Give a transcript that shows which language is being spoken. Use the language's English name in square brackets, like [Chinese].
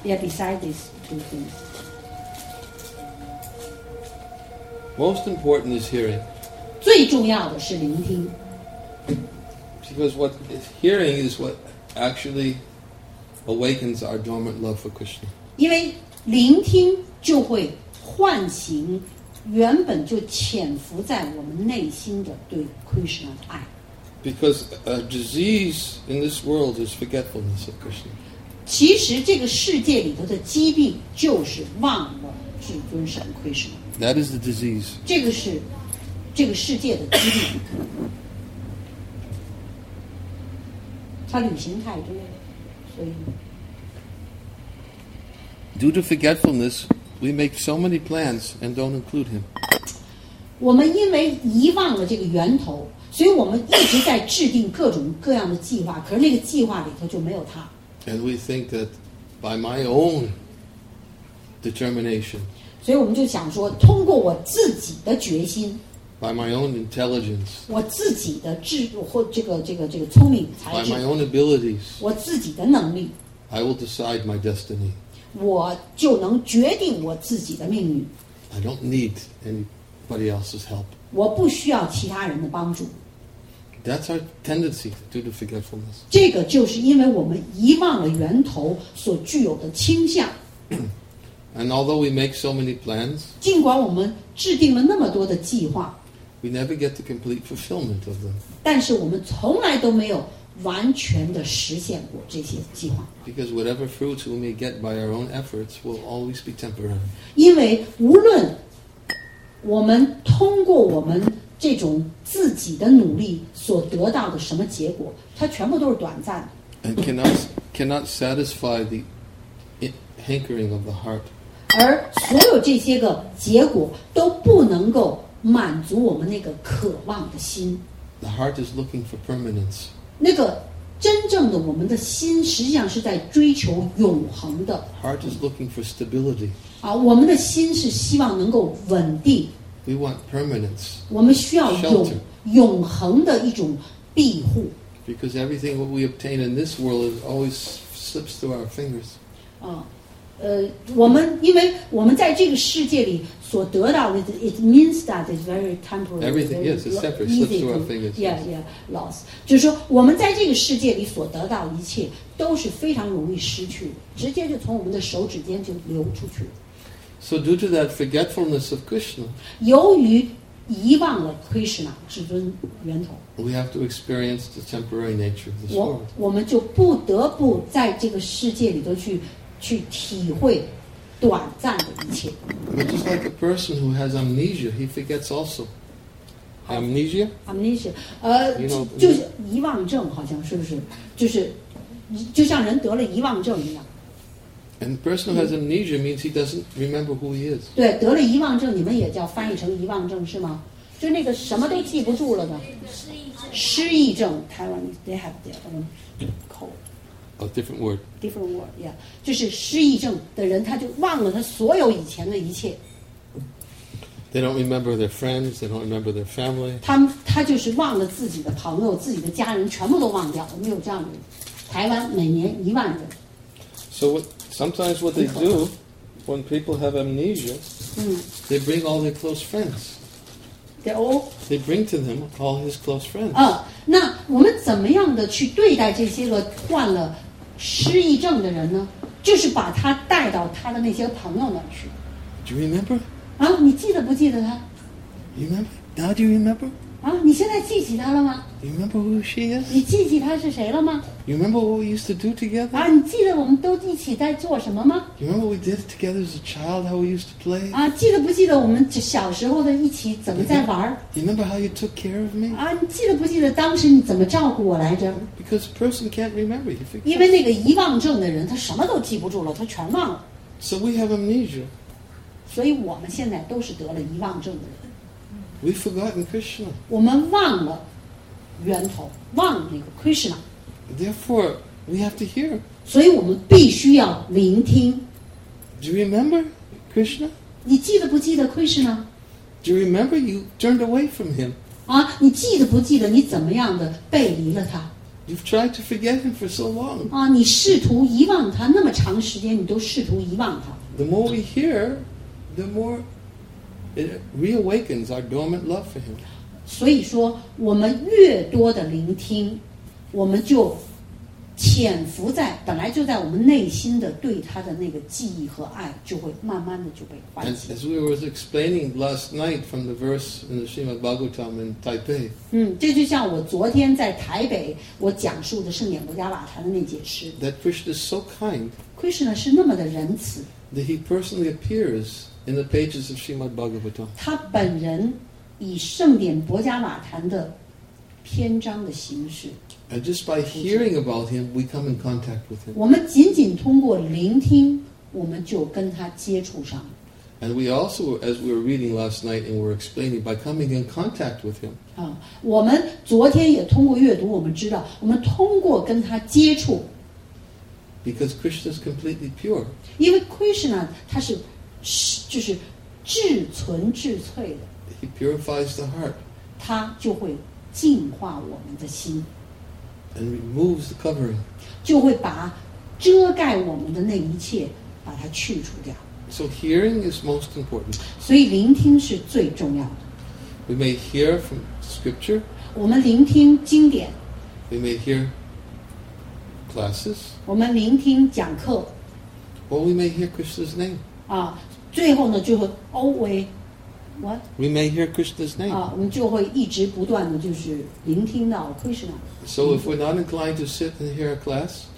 [English] Yeah, besides these two things. Most important is hearing. [Chinese] 最重要的是聆听。 [English] Because what hearing is what actually awakens our dormant love for Krishna. [Chinese] 因为聆听就会唤醒原本就潜伏在我们内心的对 Krishna 的爱。 [English] Because a disease in this world is forgetfulness of Krishna. [Chinese] 其实这个世界里头的疾病就是忘了至尊神 Krishna. [English] That is the disease. [Chinese] 这个是这个世界的疾病。他旅行太多了，所以。 [English] Due to forgetfulness, we make so many plans and don't include him. [Chinese] 我们因为遗忘了这个源头。所以我们一直在制定各种各样的计划，可是那个计划里头就没有他。 [English] And we think that by my own determination. [Chinese] 所以我们就想说，通过我自己的决心。 [English] By my own intelligence. [Chinese] 我自己的智或这个聪明才智。 [English] By my own abilities. [Chinese] 我自己的能力。 [English] I will decide my destiny. [Chinese] 我就能决定我自己的命运。 [English] I don't need anybody else's help. [Chinese] 我不需要其他人的帮助。 [English] That's our tendency due to forgetfulness. [Chinese] 这个就是因为我们遗忘了源头所具有的倾向。 [English] And although we make so many plans, [Chinese] 尽管我们制定了那么多的计划， [English] we never get the complete fulfillment of them. [Chinese] 但是我们从来都没有完全的实现过这些计划。 [English] Because whatever fruits we may get by our own efforts will always be temporary. [Chinese] 因为无论我们通过我们这种自己的努力所得到的什么结果，它全部都是短暂的。 [English] And cannot satisfy the hankering of the heart. [Chinese] 而所有这些个结果都不能够满足我们那个渴望的心。 [English] The heart is looking for permanence. [Chinese] 那个真正的我们的心实际上是在追求永恒的。 [English] Heart is looking for stability. [Chinese] 啊，我们的心是希望能够稳定。 [English] We want permanence. [Chinese] 我们需要永恒的一种庇护。 [English] Because everything we obtain in this world always slips through our fingers. [Chinese] 啊，我们因为我们在这个世界里所得到的 ， [English] it means that it's very temporary. Everything is separate, slips through our fingers. Yeah, yeah, loss. [Chinese] 就是说，我们在这个世界里所得到一切都是非常容易失去，直接就从我们的手指间就流出去。 [English] So due to that forgetfulness of Krishna, [Chinese] 由于遗忘了 Krishna 至尊源头 [English] ，we have to experience the temporary nature of this world. [Chinese] 我们就不得不在这个世界里头去体会短暂的一切。 [English] But just like a person who has amnesia, he forgets also. Amnesia? Amnesia. [Chinese] 就是遗忘症，好像是不是？就像人得了遗忘症一样。 [English] And the person who has amnesia means he doesn't remember who he is. [Chinese] 对，得了遗忘症，你们也叫翻译成遗忘症是吗？就那个什么都记不住了的。失忆症。 [English] 台湾 they have their own code. A different word. Different word, yeah. [Chinese] 就是失忆症的人，他就忘了他所有以前的一切。 [English] They don't remember their friends. They don't remember their family. [Chinese] 他就是忘了自己的朋友、自己的家人，全部都忘掉。我们有这样的，台湾每年一万人。 [English] So sometimes what they do when people have amnesia, they bring all their close friends. They're all. They bring to them all his close friends. [Chinese] 那我们怎么样的去对待这些个患了失忆症的人呢？就是把他带到他的那些朋友那儿去。 [English] Do you remember? [Chinese] 啊，你记得不记得他 [English] ？Remember? Now do you remember? [Chinese] 啊，你现在记起他了吗 [English] ？You remember who she is? [Chinese] 你记起他是谁了吗 [English] ？You remember what we used to do together? [Chinese] 啊，你记得我们都一起在做什么吗 [English] ？You remember what we did together as a child? How we used to play? [Chinese] 啊，记得不记得我们小时候的一起怎么在玩 [English] ？You remember how you took care of me? [Chinese] 啊，你记得不记得当时你怎么照顾我来着 [English] ？Because person can't remember. [Chinese] 因为那个遗忘症的人，他什么都记不住了，他全忘了。 [English] So we have amnesia. [Chinese] 所以我们现在都是得了遗忘症的人。 [English] We've forgotten Krishna. [Chinese] 我们忘了源头，忘了那个 Krishna. [English] Therefore, we have to hear. [Chinese] 所以我们必须要聆听。 [English] Do you remember Krishna? [Chinese] 你记得不记得 Krishna? [English] Do you remember you turned away from him? [Chinese] 啊，你记得不记得你怎么样的背离了他？ [English] You've tried to forget him for so long. [Chinese] 啊，你试图遗忘他那么长时间，你都试图遗忘他。 [English] The more we hear, the more it reawakens our dormant love for him. [Chinese] 所以说，我们越多的聆听，我们就潜伏在本来就在我们内心的对他的那个记忆和爱，就会慢慢的就被唤醒。 [English] As we were explaining last night from the verse in the Srimad Bhagavatam in Taipei. [Chinese] 这就像我昨天在台北我讲述的圣严伽瓦台的那解释。 [English] That Krishna is so kind. [Chinese] Krishna 是那么的仁慈。 [English] That he personally appears in the pages of Srimad Bhagavatam. [Chinese] 他本人以圣严伽瓦台的篇章的形式。 [English] And just by hearing about him, we come in contact with him. [Chinese] 我们仅仅通过聆听，我们就跟他接触上。 [English] And we also, as we were reading last night and were explaining, by coming in contact with him. [Chinese] 我们昨天也通过阅读，我们知道，我们通过跟他接触。 [English] Because Krishna is completely pure. [Chinese] 因为 Krishna 他是就是至纯至粹的。 [English] He purifies the heart. [Chinese] 他就会净化我们的心。 [English] And removes the covering. [Chinese] 就会把遮盖我们的那一切把它去除掉。 [English] So hearing is most important. [Chinese] 所以聆听是最重要的。 [English] We may hear from scripture. [Chinese] 我们聆听经典。 [English] We may hear classes. [Chinese] 我们聆听讲课。 [English] Or we may hear Krishna's name. [Chinese] 最后呢就会 [English] always, what? We may hear Krishna's name. [Chinese] 我们就会一直不断的就是聆听到 Krishna。 [English] So if we're not inclined to sit and hear a class,